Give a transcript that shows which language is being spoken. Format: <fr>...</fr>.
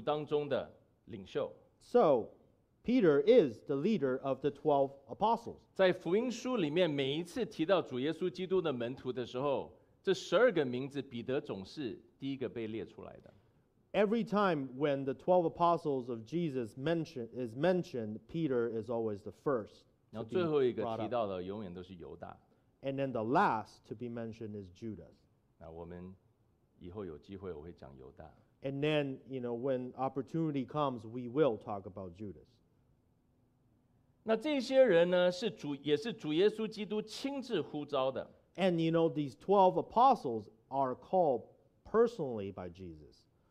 <zh>彼得是耶稣的十二个使徒当中的领袖。So,</zh> <en>Peter is the leader of the 12 apostles.</en> <zh>在福音书里面每一次提到主耶稣基督的门徒的时候， 这十二个名字，彼得总是第一个被列出来的。</zh> <en>Every time when the 12 apostles of Jesus is mentioned, Peter is always the first.</en> <zh>然后最后一个提到的永远都是犹大。</zh> <en>And then the last to be mentioned is Judas.</en> <zh>那我们以后有机会我会讲犹大。</zh> <en>And then, you know, when opportunity comes, we will talk about Judas.</en> <zh>那这些人呢，是主，也是主耶稣基督亲自呼召的。</zh> <en>And you know, these 12 apostles are called personally by Jesus.</en>